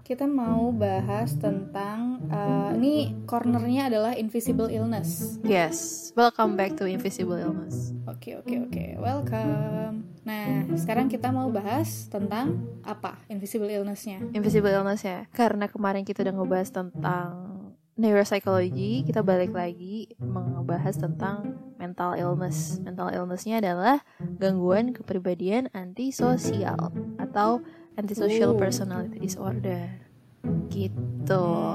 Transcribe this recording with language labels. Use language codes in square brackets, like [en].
[id] Kita mau bahas tentang ini cornernya adalah invisible illness. [en] Yes, welcome back to invisible illness. Oke, welcome. [id] Nah, sekarang kita mau bahas tentang apa invisible illness-nya. Invisible illness ya, karena kemarin kita udah ngebahas tentang neuropsychology, kita balik lagi membahas tentang mental illness. Mental illness-nya adalah gangguan kepribadian antisosial atau antisocial personality disorder. Gitu.